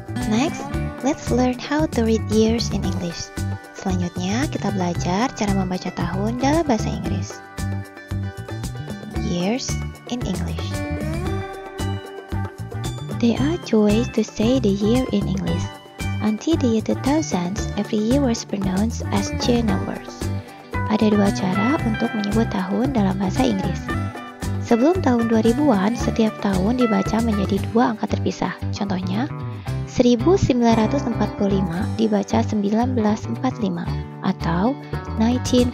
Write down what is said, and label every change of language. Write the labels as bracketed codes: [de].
[en] Next, let's learn how to read years in English. [id] Selanjutnya, kita belajar cara membaca tahun dalam bahasa Inggris. [en] Years in English. There are two ways to say the year in English. Until the year 2000s, every year was pronounced as January. [id] Ada dua cara untuk menyebut tahun dalam bahasa Inggris. Sebelum tahun 2000-an, setiap tahun dibaca menjadi dua angka terpisah. Contohnya, 1945 dibaca 1945 atau 1945.